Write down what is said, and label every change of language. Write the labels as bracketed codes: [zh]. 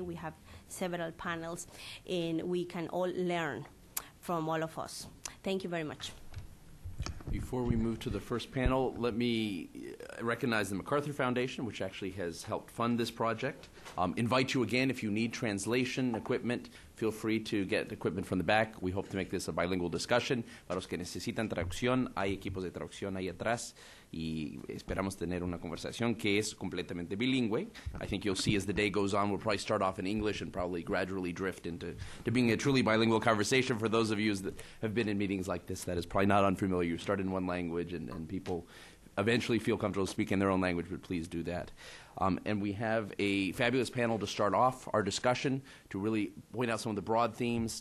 [en] We have several panels, and we can all learn from all of us. Thank you very much. Before we move to the first panel, let me recognize the MacArthur Foundation, which actually has helped fund this project. Invite you again, if you need translation equipment, feel free to get equipment from the back. We hope to make this a bilingual discussion. [es] Para los que necesitan traducción, hay equipos de traducción ahí atrás, y esperamos tener una conversación que es completamente bilingüe. [en] I think you'll see as the day goes on, we'll probably start off in English and probably gradually drift into being a truly bilingual conversation. For those of you that have been in meetings like this, that is probably not unfamiliar. You start in one language, and people eventually feel comfortable speaking their own language, but please do that. And we have a fabulous panel to start off our discussion to really point out some of the broad themes.